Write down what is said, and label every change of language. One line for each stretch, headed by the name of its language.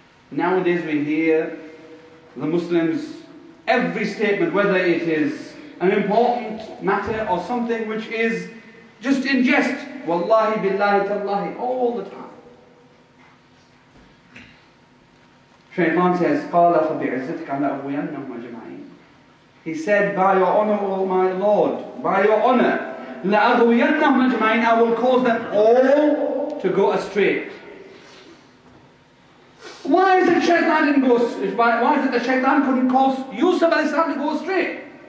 English: Nowadays we hear the Muslims, every statement, whether it is an important matter or something which is just in jest, wallahi billahi tallahi, all the time. Shaitan says,
Arabic: قَالَ فَبِعِزَّتِكَ لَأَغْوِيَنَّهُمْ أَجْمَعِينَ.
English: He said, by your honor, O my Lord, by your honor,
Arabic: لَأَغْوِيَنَّهُمْ أَجْمَعِينَ,
English: I will cause them all to go astray. Why is it Shaitan didn't go astray? Why is it that Shaitan couldn't cause Yusuf alayhi salam to go astray?